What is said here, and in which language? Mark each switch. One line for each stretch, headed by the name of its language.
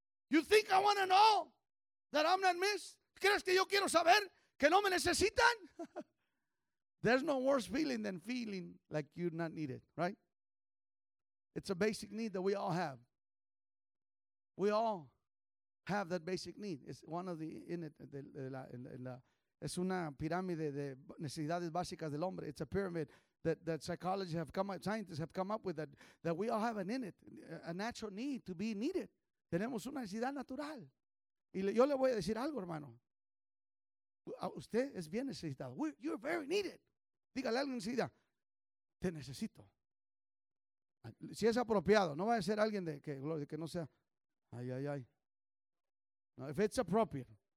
English: You think I want to know that I'm not missed?
Spanish: ¿Crees que yo quiero saber que no me necesitan?
English: There's no worse feeling than feeling like you're not needed, right? It's a basic need that we all have. We all have that basic need. It's one of the in it.
Spanish: Es una pirámide de necesidades básicas del hombre.
English: It's a pyramid that psychologists have come up, scientists have come up with that we all have an in it, a natural need to be needed.
Spanish: Tenemos una necesidad natural. Y yo le voy a decir algo, hermano. Usted es bien necesitado.
English: You're very needed.
Spanish: Dígale a alguien enseguida, te necesito. Si es apropiado, no va a ser alguien que no sea, ay, ay, ay. No,
English: if it's appropriate.